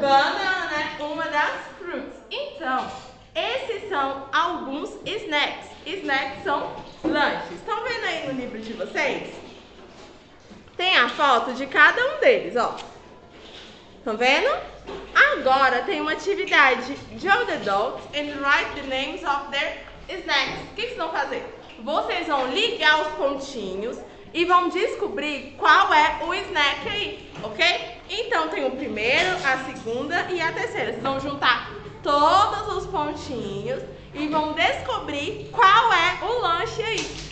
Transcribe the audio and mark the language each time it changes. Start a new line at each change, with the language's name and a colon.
Portuguese: Banana, uma das frutas. Então, esses são alguns snacks. Snacks são lanches. Estão vendo aí no livro de vocês? Tem a foto de cada um deles, ó. Estão vendo? Agora tem uma atividade.
English: Draw the dogs and write the names of their snacks.
Portuguese: O que vocês vão fazer? Vocês vão ligar os pontinhos e vão descobrir qual é o snack aí, ok? Então tem o primeiro, a segunda e a terceira. Vocês vão juntar todos os pontinhos e vão descobrir qual é o lanche aí.